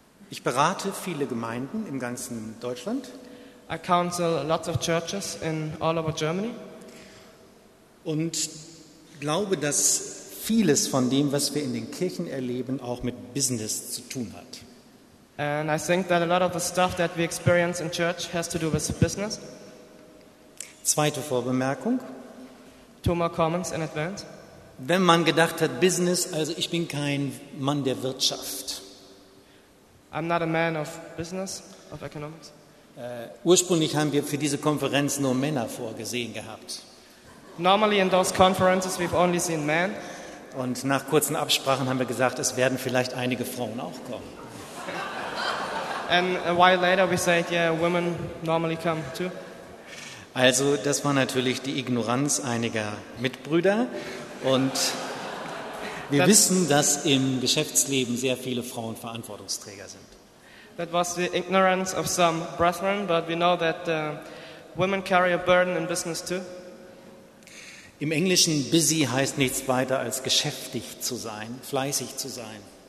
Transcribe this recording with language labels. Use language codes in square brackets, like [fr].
[de] Ich berate viele Gemeinden im ganzen Deutschland. [en] I counsel lots of churches in all over Germany. [de] Und glaube, dass vieles von dem, was wir in den Kirchen erleben, auch mit Business zu tun hat. [en] And I think that a lot of the stuff that we experience in church has to do with business. [de] Zweite Vorbemerkung. [en] Two more comments in advance. [de] Wenn man gedacht hat, Business, also ich bin kein Mann der Wirtschaft. [en] I'm not a man of business, of economics. [de] Ursprünglich haben wir für diese Konferenz nur Männer vorgesehen gehabt. [en] Normally in those conferences we've only seen men. [de] Und nach kurzen Absprachen haben wir gesagt, es werden vielleicht einige Frauen auch kommen. [en] And a while later we said, yeah, women normally come too. [de] Also, das war natürlich die Ignoranz einiger Mitbrüder. Und wir wissen, dass im Geschäftsleben sehr viele Frauen Verantwortungsträger sind. [en] That was the ignorance of some brethren, but we know that women carry a burden in business too. [de] Im Englischen busy heißt nichts weiter als geschäftig zu sein, fleißig zu sein.